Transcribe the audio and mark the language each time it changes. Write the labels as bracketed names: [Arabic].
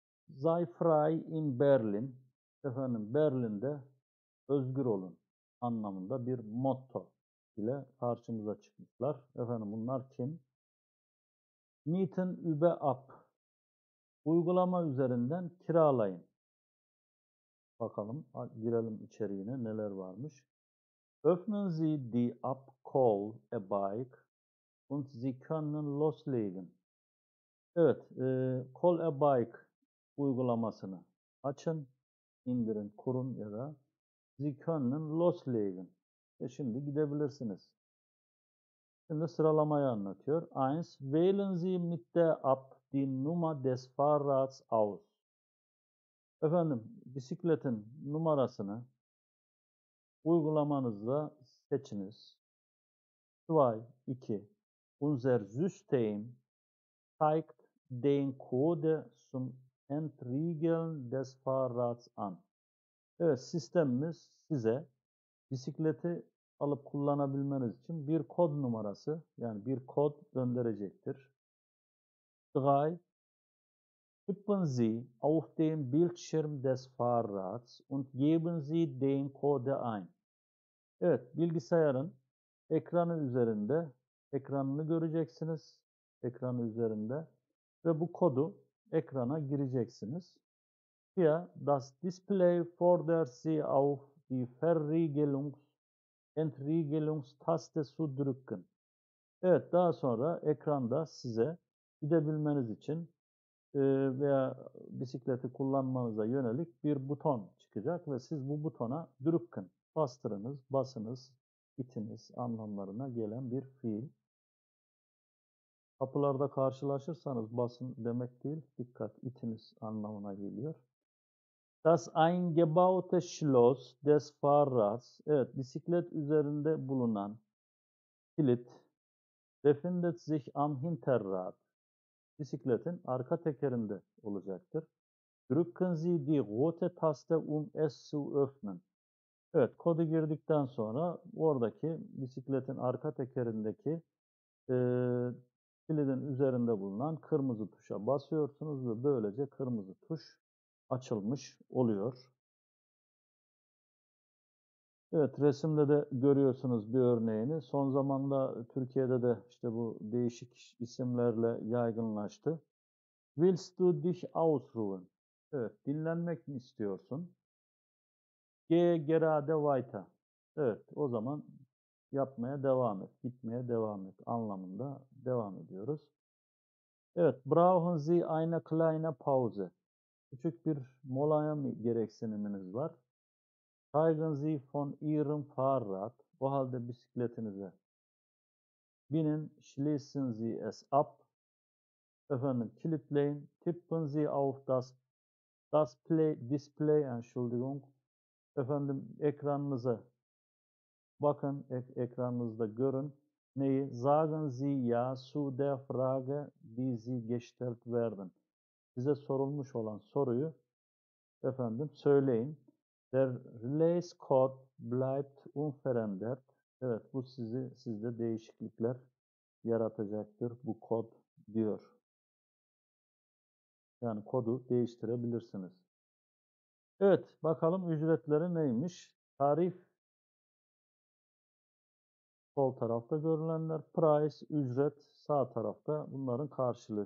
[German] Sei frei in Berlin, [Turkish] efendim Berlin'de özgür olun anlamında bir motto ile karşımıza çıkmışlar. Efendim bunlar kim? [German] Mieten über App. [Turkish] Uygulama üzerinden kiralayın. Bakalım, girelim içeriğine neler varmış. [German] Öffnen Sie die App, call a bike und Sie können loslegen. [Turkish] Evet, call a bike uygulamasını açın, indirin, kurun ya da [German] Sie können loslegen. [Turkish] Şimdi gidebilirsiniz. Şimdi sıralamayı anlatıyor. 1. [German] Wählen Sie mit der App die Nummer des Fahrrads aus. [Turkish] Efendim, bisikletin numarasını uygulamanızda seçiniz. 2. [German] Unser System zeigt den Code zum Entriegeln des Fahrrads an. [Turkish] Evet, sistemimiz size bisikleti alıp kullanabilmeniz için bir kod numarası, yani bir kod gönderecektir. 3. [German] Tippen Sie auf dem Bildschirm des Fahrrads und geben Sie den Code ein. [Turkish] Evet, bilgisayarın ekranı üzerinde, ekranını göreceksiniz, ekranı üzerinde ve bu kodu ekrana gireceksiniz. 4. [German] Das Display fordert Sie auf die Verriegelung Entriegelungstaste zu drücken. [Turkish] Evet, daha sonra ekranda size gidebilmeniz için veya bisikleti kullanmanıza yönelik bir buton çıkacak ve siz bu butona drücken, bastırınız, basınız, itiniz anlamlarına gelen bir fiil. Kapılarda karşılaşırsanız basın demek değil, dikkat, itiniz anlamına geliyor. [German] Das eingebaute Schloss des Fahrrads, [Turkish] evet, bisiklet üzerinde bulunan kilit, [German] befindet sich am Hinterrad, [Turkish] bisikletin arka tekerinde olacaktır. [German] Drücken Sie die rote Taste, es zu öffnen. [Turkish] Evet, kodu girdikten sonra oradaki bisikletin arka tekerindeki kilidin üzerinde bulunan kırmızı tuşa basıyorsunuz ve böylece kırmızı tuş açılmış oluyor. Evet, resimde de görüyorsunuz bir örneğini. Son zamanda Türkiye'de de işte bu değişik isimlerle yaygınlaştı. [German] Willst du dich ausruhen? [Turkish] Evet, dinlenmek mi istiyorsun? [German] Geh gerade weiter. [Turkish] Evet, o zaman yapmaya devam et, gitmeye devam et anlamında devam ediyoruz. [German] Evet, brauchen Sie eine kleine Pause? [Turkish] Küçük bir molaya mı gereksiniminiz var? [German] Steigen Sie von Ihrem Fahrrad, [Turkish] o halde bisikletinize binin, [German] schließen Sie es ab, [Turkish] efendim kilitleyin, [German] tippen Sie auf das Play, Display, Entschuldigung, [Turkish] efendim ekranınıza bakın, ekranınızda görün, neyi? [German] Sagen Sie ja zu der Frage, die Sie gestellt werden. [Turkish] Size sorulmuş olan soruyu efendim söyleyin. [German] Der Relays Code bleibt unverändert. [Turkish] Evet, bu sizde değişiklikler yaratacaktır bu kod diyor. Yani kodu değiştirebilirsiniz. Evet, bakalım ücretleri neymiş? Tarif sol tarafta görülenler, price ücret sağ tarafta, bunların karşılığı.